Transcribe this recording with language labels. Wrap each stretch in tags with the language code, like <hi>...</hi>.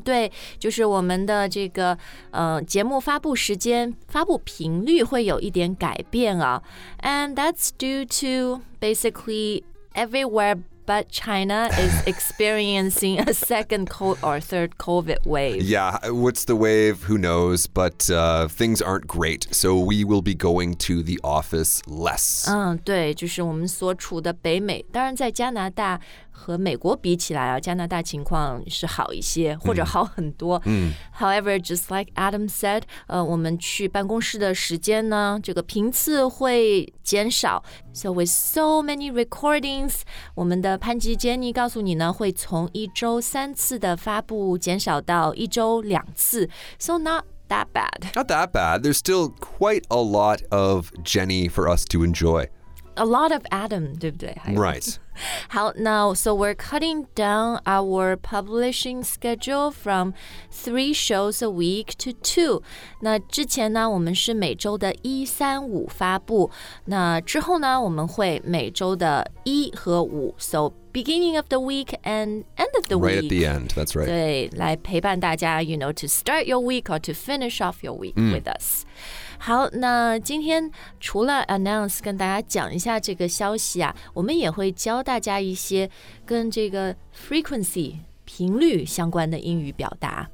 <zh>对，就是我们的这个节目发布时间、发布频率会有一点改变啊。</zh> <en>And that's due to basically everywhere but China is experiencing a second or third COVID wave. Yeah, what's the wave? Who knows? But things aren't great, so we will be going to the office less.</en> <zh>对，就是我们所处的北美，当然在加拿大和美国比起来啊，加拿大情况是好一些，或者好很多。</zh> <en>However, just like Adam said,</en> <zh>我们去办公室的时间呢，这个频次会减少。</zh> <en>So with so many recordings,</en> <zh>我们的潘吉 Jenny 告诉你呢，会从一周三次的发布减少到一周两次。</zh> <en>So not that bad. Not that bad. There's still quite a lot of Jenny for us to enjoy. A lot of Adam,</en> <zh>对不对</zh> <en>Right. 好 now, so we're cutting down our publishing schedule from 3 shows a week to 2.</en> <zh>那之前呢我们是每周的一三五发布。那之后呢我们会每周的一和五。</zh> <en>So beginning of the week and end of the week. Right at the end, that's right.</en> <zh>对来陪伴大家</zh> <en>you know, to start your week or to finish off your week with us.</en> <zh>好，那今天除了 announce 跟大家讲一下这个消息啊，我们也会教大家一些跟这个 frequency 频率相关的英语表达。</zh>